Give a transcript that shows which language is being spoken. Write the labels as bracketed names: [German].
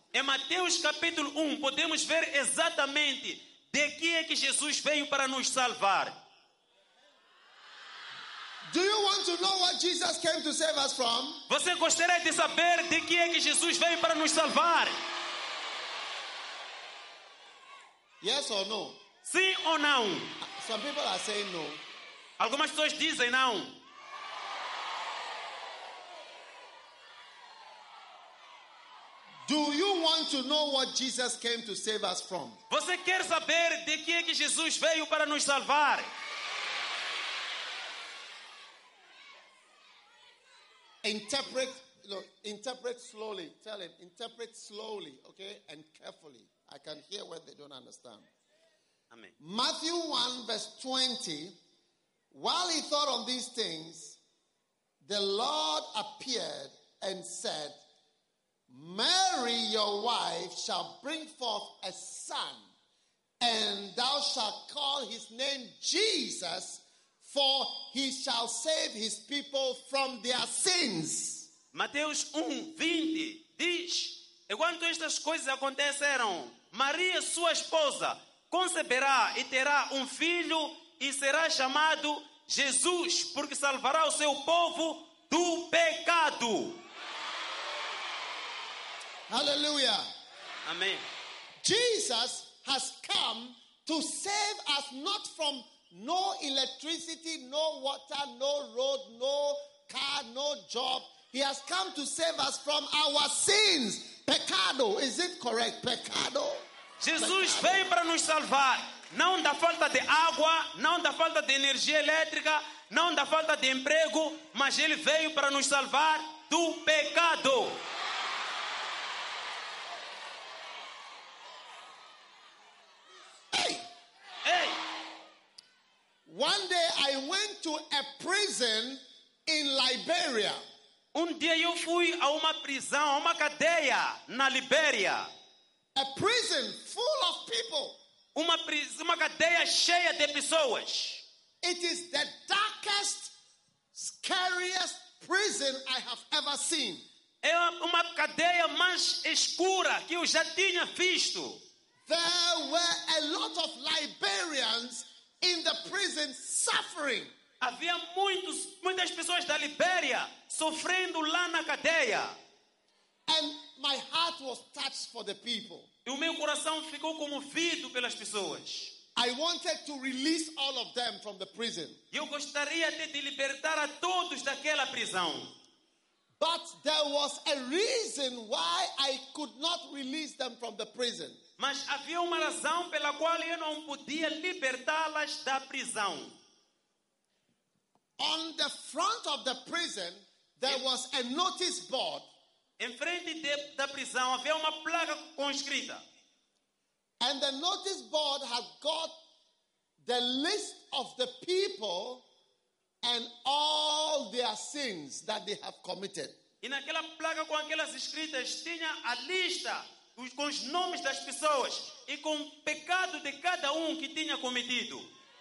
[Portuguese] Em Mateus capítulo 1, podemos ver exatamente de que é que Jesus veio para nos salvar. [English] Do you want to know what Jesus came to save us from? [Portuguese] Você gostaria de saber de que é que Jesus veio para nos salvar? [English] Yes or no? [Portuguese] Sim ou não? [English] Some people are saying no. [Portuguese] Algumas pessoas dizem não. [English] Do you want to know what Jesus came to save us from? [Portuguese] Você quer saber de que é que Jesus veio para nos salvar? [English] Interpret slowly. Tell him, interpret slowly, okay? And carefully. I can hear what they don't understand. Matthew 1 verse 20, while he thought on these things, the Lord appeared and said, Mary, your wife, shall bring forth a son, and thou shalt call his name Jesus, for he shall save his people from their sins. [Portuguese] Mateus 1, 20, diz, enquanto estas coisas aconteceram, Maria, sua esposa, conceberá e terá filho e será chamado Jesus, porque salvará o seu povo do pecado. [English] Hallelujah. [Portuguese] Amém. [English] Jesus has come to save us not from no electricity, no water, no road, no car, no job. He has come to save us from our sins. Pecado, is it correct? Pecado. [Portuguese] Jesus veio para nos salvar, Não da falta de água, não da falta de energia elétrica, não da falta de emprego, mas ele veio para nos salvar do pecado. [English] Hey. One day I went to a prison in Liberia. [Portuguese] Um dia eu fui a uma prisão, a uma cadeia na Libéria. [English] A prison full of people. [Portuguese] Uma cadeia cheia de pessoas. [English] It is the darkest, scariest prison I have ever seen. [Portuguese] É uma cadeia mais escura que eu já tinha visto. [English] There were a lot of Liberians in the prison suffering. [Portuguese] Havia muitas pessoas da Libéria sofrendo lá na cadeia. [English] And my heart was touched for the people. [Portuguese] E o meu coração ficou comovido pelas pessoas. [English] I wanted to release all of them from the prison. [Portuguese] Eu gostaria de libertar a todos daquela prisão. [English] But there was a reason why I could not release them from the prison. [Portuguese] Mas havia uma razão pela qual eu não podia libertá-las da prisão. [English] On the front of the prison, there was a notice board. [Portuguese] Em frente da prisão havia uma placa com escrita. [English] And the notice board had got the list of the people and all their sins that they have committed. [Portuguese] E naquela placa com aquelas escritas tinha a lista com os nomes das pessoas e com o pecado de cada que tinha cometido.